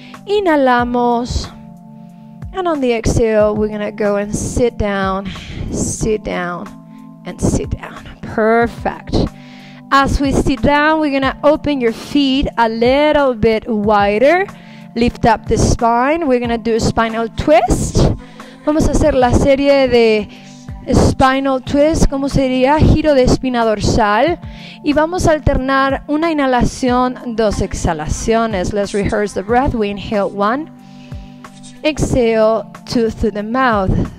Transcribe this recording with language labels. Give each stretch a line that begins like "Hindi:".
Spanish: Inhalamos.
English: And on the exhale, we're gonna go and sit down, sit down, and sit down. Perfect. As we sit down, we're gonna open your feet a little bit wider. Lift up the spine. We're gonna do a spinal twist.
Spanish: Vamos a hacer la serie de spinal twist, como sería giro de espina dorsal, y vamos a alternar una inhalación, dos exhalaciones.
English: Let's rehearse the breath. We inhale one, exhale two through the mouth.